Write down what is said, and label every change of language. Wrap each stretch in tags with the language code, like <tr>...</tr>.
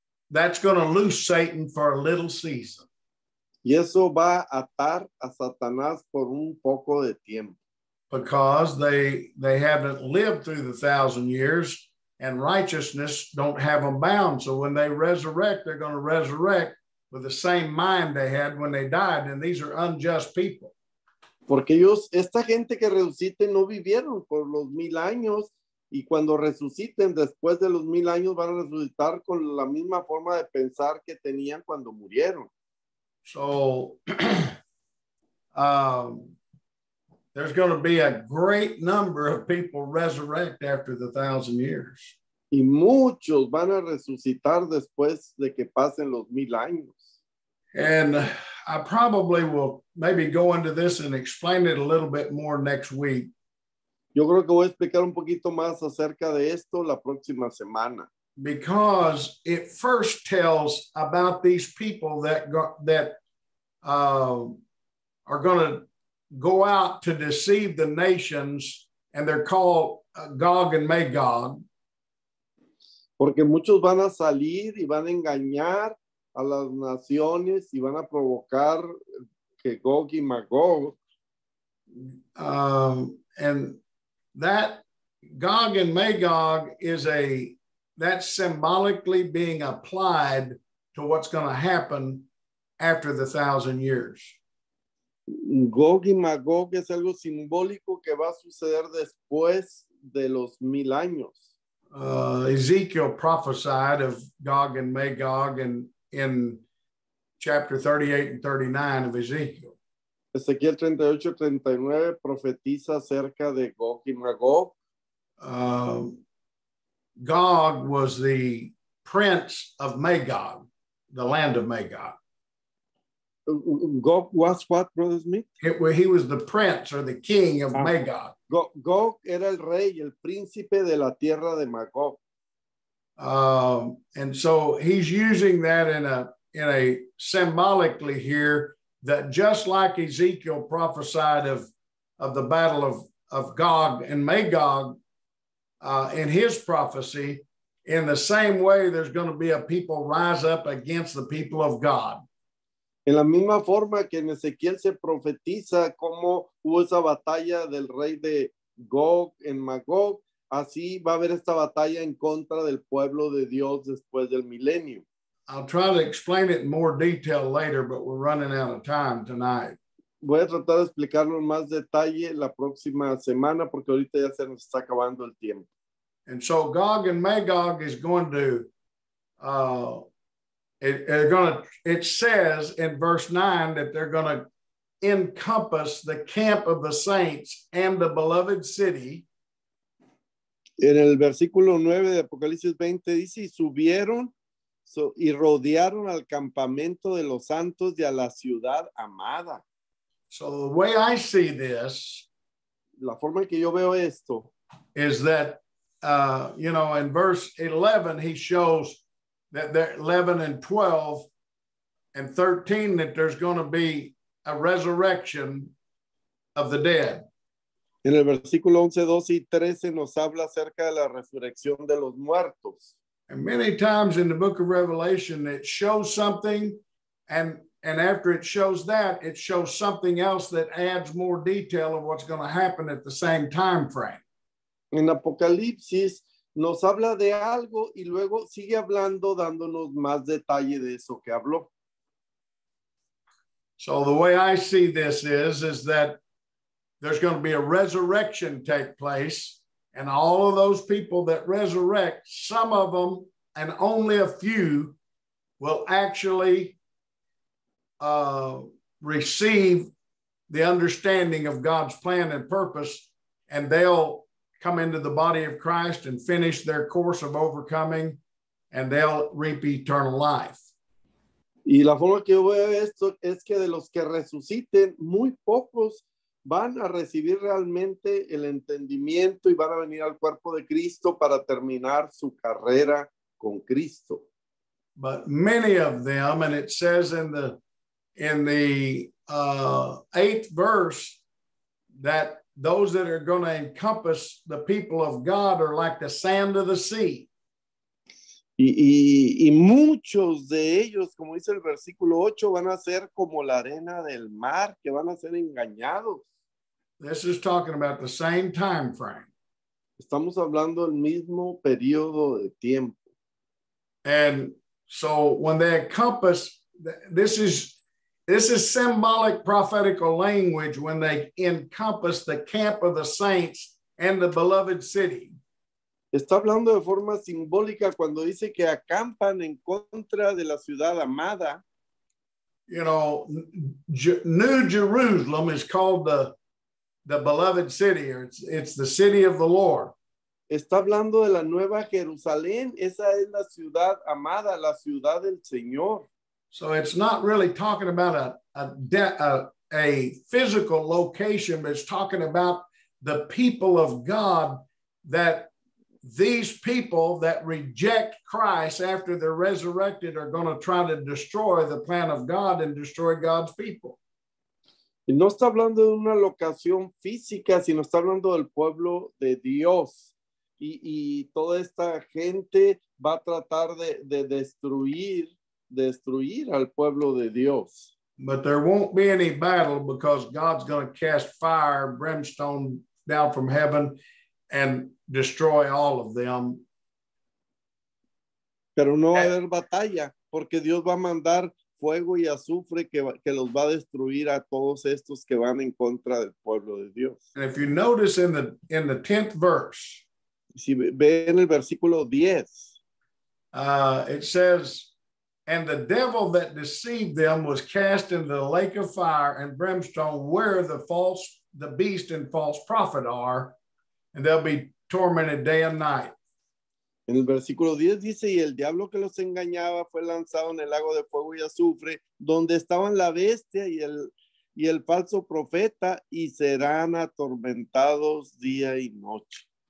<en>That's going to loose Satan for a little season.</en> <es>Y eso va a atar a Satanás por un poco de tiempo.</es> <en>Because they haven't lived through the 1,000 years and righteousness don't have them bound. So when they resurrect, they're going to resurrect with the same mind they had when they died. And these are unjust people.</en> <es>Porque ellos, esta gente que resucite no vivieron por los 1,000 años. Y cuando resuciten después de los 1,000 años, van a resucitar con la misma forma de pensar que tenían cuando murieron.</es> <en>So, there's going to be a great number of people resurrect after the 1,000 years.</en> <es>Y muchos van a resucitar después de que pasen los 1,000 años.</es> <en>And I probably will maybe go into this and explain it a little bit more next week.</en> <es>Yo creo que voy a explicar un poquito más acerca de esto la próxima semana.</es> <en>Because it first tells about these people that are going to go out to deceive the nations, and they're called Gog and Magog.</en> <es>Porque muchos van a salir y van a engañar a las naciones y van a provocar que Gog y Magog.</es> <en>And that Gog and Magog that's symbolically being applied to what's going to happen after the 1,000 years.</en> <es>Gog y Magog es algo simbólico que va a suceder después de los 1,000 años.</es> <en>Ezekiel prophesied of Gog and Magog in chapter 38 and 39 of Ezekiel.</en> <es>Ezequiel 38-39 profetiza acerca de Gog y Magog.</es> <en>Gog was the prince of Magog, the land of Magog. Gog was what, Brother Smith? He was the prince or the king of Magog.</en> <es>Gog era el rey, el príncipe de la tierra de Magog.</es> <en>And so he's using that in a symbolically here, that just like Ezekiel prophesied of the battle of Gog and Magog in his prophecy, in the same way there's going to be a people rise up against the people of God.</en> <es>En la misma forma que en Ezequiel se profetiza cómo hubo esa batalla del rey de Gog en Magog, así va a haber esta batalla en contra del pueblo de Dios después del milenio.</es> <en>I'll try to explain it in more detail later, but we're running out of time tonight.</en> <es>Voy a tratar de explicarlo en más detalle la próxima semana porque ahorita ya se nos está acabando el tiempo.</es> <en>And so Gog and Magog is going to... It says in verse 9 that they're going to encompass the camp of the saints and the beloved city.</en> <es>En el versículo 9 de Apocalipsis 20 dice, y subieron y rodearon al campamento de los santos y a la ciudad amada.</es> <en>So the way I see this,</en> <es>la forma en que yo veo esto,</es> <en>is that, you know, in verse 11, he shows that there 11 and 12 and 13, that there's going to be a resurrection of the dead.</en> <es>En el versículo 11, 12 y 13 nos habla acerca de la resurrección de los muertos.</es> <en>And many times in the book of Revelation, it shows something, and after it shows that, it shows something else that adds more detail of what's going to happen at the same time frame.</en> <es>En Apocalipsis, nos habla de algo y luego sigue hablando, dándonos más detalle de eso que habló.</es> <en>So the way I see this is that there's going to be a resurrection take place, and all of those people that resurrect, some of them and only a few will actually receive the understanding of God's plan and purpose, and they'll come into the body of Christ and finish their course of overcoming, and they'll reap eternal life.</en> <es>Y la forma que yo veo esto es que de los que resuciten, muy pocos van a recibir realmente el entendimiento y van a venir al cuerpo de Cristo para terminar su carrera con Cristo.</es> <en>but many of them, and it says in the eighth verse that those that are going to encompass the people of God are like the sand of the sea.</en> <es>Y muchos de ellos, como dice el versículo 8, van a ser como la arena del mar, que van a ser engañados.</es> <en>This is talking about the same time frame.</en> <es>Estamos hablando del mismo periodo de tiempo.</es> <en>And so when they encompass, this is symbolic prophetical language when they encompass the camp of the saints and the beloved city.</en> <es>Está hablando de forma simbólica cuando dice que acampan en contra de la ciudad amada.</es> <en>You know, New Jerusalem is called the beloved city, or it's the city of the Lord.</en> <es>Está hablando de la Nueva Jerusalén. Esa es la ciudad amada, la ciudad del Señor.</es> <en>So it's not really talking about a physical location, but it's talking about the people of God, that these people that reject Christ after they're resurrected are going to try to destroy the plan of God and destroy God's people.</en> <es>Y no está hablando de una locación física, sino está hablando del pueblo de Dios. Y toda esta gente va a tratar de destruir al pueblo de Dios.</es> <en>But there won't be any battle because God's going to cast fire, brimstone down from heaven and destroy all of them.</en> <es>Pero no va a haber batalla porque Dios va a mandar fuego y azufre que los va a destruir a todos estos que van en contra del pueblo de Dios.</es> <en>And if you notice in the 10th verse,</en> <es>si ve en el versículo 10,</es> <en>it says, and the devil that deceived them was cast into the lake of fire and brimstone, where the beast and false prophet are, and they'll be tormented day and night.</en> <es>En el versículo 10 dice, y el diablo que los engañaba fue lanzado en el lago de fuego y azufre, donde estaban la bestia y el falso profeta, y serán atormentados día y noche.</es>